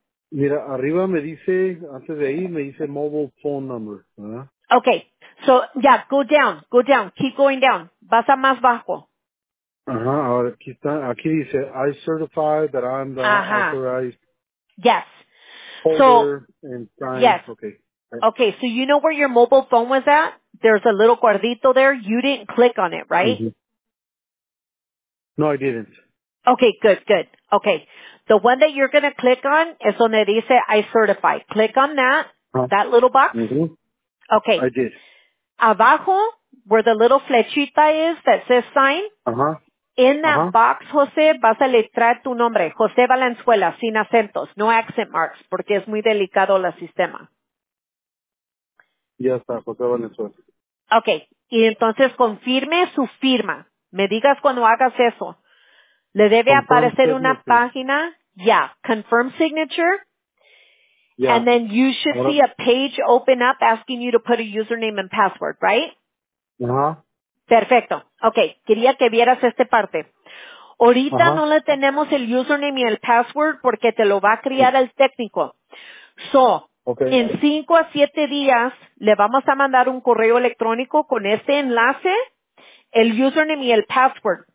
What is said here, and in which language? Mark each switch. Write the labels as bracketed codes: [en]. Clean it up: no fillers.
[es] Mira, arriba me dice, antes de ahí, me dice mobile phone number, ¿verdad? [en] Okay. So, yeah, go down. Keep going down. [es] Vas a más bajo. Ajá, aquí dice, [en] I certify that I'm the authorized. Yes. So, yes. Okay, so you know where your mobile phone was at? There's a little cuadrito there. You didn't click on it, right? Mm-hmm. No, I didn't. Okay, good. Okay, the one that you're going to click on is [es] donde dice, [en] I certify. Click on that, that little box. Mm-hmm. Okay. I did. Abajo, where the little flechita is that says sign. Ajá. In that box, [es] José, vas a letrar tu nombre, José Valenzuela, sin acentos, [en] no accent marks, [es] porque es muy delicado el sistema. Ya está, José Valenzuela. Okay, y entonces confirme su firma. Me digas cuando hagas eso. Le debe [en] confirm [es] aparecer [en] signature. [es] Una página. [en] Yeah, confirm signature. Yeah. And then you should see a page open up asking you to put a username and password, right? Uh-huh. [es] Perfecto. Okay. Quería que vieras esta parte. Ahorita no le tenemos el username y el password porque te lo va a crear el técnico. So, en 5 a 7 días le vamos a mandar un correo electrónico con este enlace, el username y el password.